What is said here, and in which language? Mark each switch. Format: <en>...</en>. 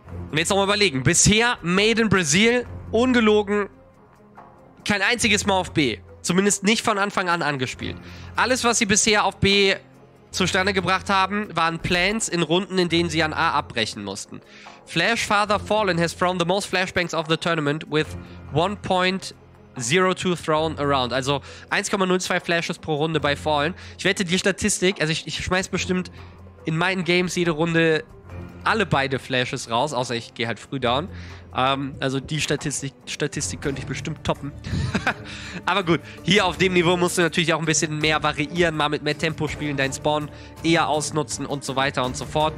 <de>Und jetzt nochmal überlegen. Bisher Made in Brazil, ungelogen, kein einziges Mal auf B. Zumindest nicht von Anfang an angespielt. Alles, was sie bisher auf B zustande gebracht haben, waren Plans in Runden, in denen sie an A abbrechen mussten.</de> <en>Flash Father Fallen has thrown the most flashbangs of the tournament with 1.02 thrown around.</en> <de>Also 1.02 Flashes pro Runde bei Fallen. Ich wette, die Statistik, also ich schmeiß bestimmt in meinen Games jede Runde alle beide Flashes raus, außer ich gehe halt früh down. Also die Statistik könnte ich bestimmt toppen. Aber gut, hier auf dem Niveau musst du natürlich auch ein bisschen mehr variieren, mal mit mehr Tempo spielen, deinen Spawn eher ausnutzen und so weiter und so fort.</de>